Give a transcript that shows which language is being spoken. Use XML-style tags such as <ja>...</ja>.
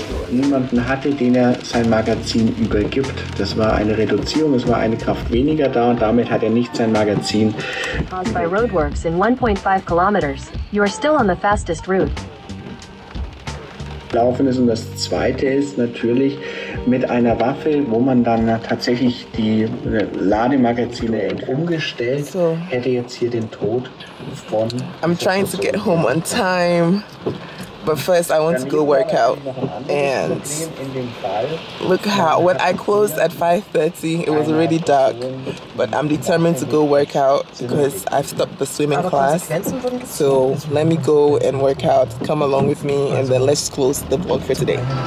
<de>Niemanden hatte, den er sein Magazin übergibt. Das war eine Reduzierung, es war eine Kraft weniger da und damit hat er nicht sein Magazin.</de> <en>Caused by roadworks in 1.5 kilometers. You are still on the fastest route.</en> <de>Laufen ist. Und das zweite ist natürlich mit einer Waffe, wo man dann tatsächlich die Lademagazine umgestellt so. Hätte jetzt hier den Tod von</de> <en>I'm trying to get home on time, but first I want to go work out and look how when I closed at 5:30 it was already dark, but I'm determined to go work out because I've stopped the swimming class. So let me go and work out, come along with me, and then let's close the vlog for today.</en>